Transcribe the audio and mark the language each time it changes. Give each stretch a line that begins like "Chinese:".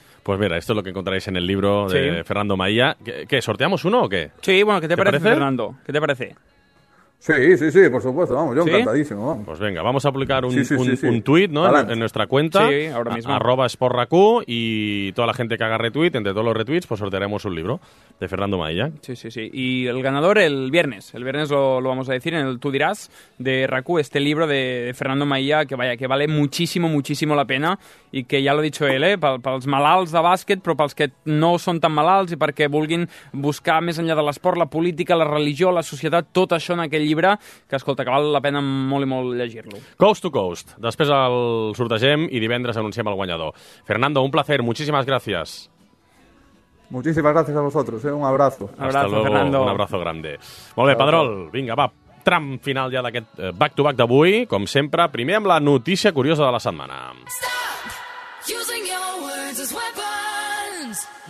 Spanish: Pues mira, esto es lo que encontraréis en el libro de Fernando Maía. ¿Qué, sorteamos uno o qué? Sí, bueno, ¿qué te parece, Fernando? ¿Qué te parece? Sí, por supuesto, vamos, yo encantadísimo. Vamos. Pues venga, vamos a publicar un tuit, ¿no? En nuestra cuenta, sí, ahora mismo. @sportraq, y toda la gente que haga retweet, entre todos los retweets, pues sortearemos un libro de Fernando Maella. Sí. Y el ganador el viernes lo vamos a decir en el Tú dirás de Raku, este libro de Fernando Maella, que vale muchísimo la pena, y que
Catalan: ja l'ha dit ell, pels malalts de bàsquet, però pels que no són tan malalts i perquè vulguin buscar més enllà de l'esport, la política, la religió, la societat, tot això en aquest llibre, que escolta, que val la pena molt i molt llegir-lo. Coast to Coast. Després el sortegem i divendres anunciem el guanyador.
Spanish: Fernando, un placer, muchísimas gracias. Muchísimas gracias a vosotros, ¿eh? Un abrazo. Abrazo, Fernando. Un abrazo grande.
Catalan: Molt bé, Pedrol, vinga, va. Tram final ja d'aquest back-to-back d'avui, com sempre, primer amb la notícia curiosa de la setmana.
English: Using your words as weapons.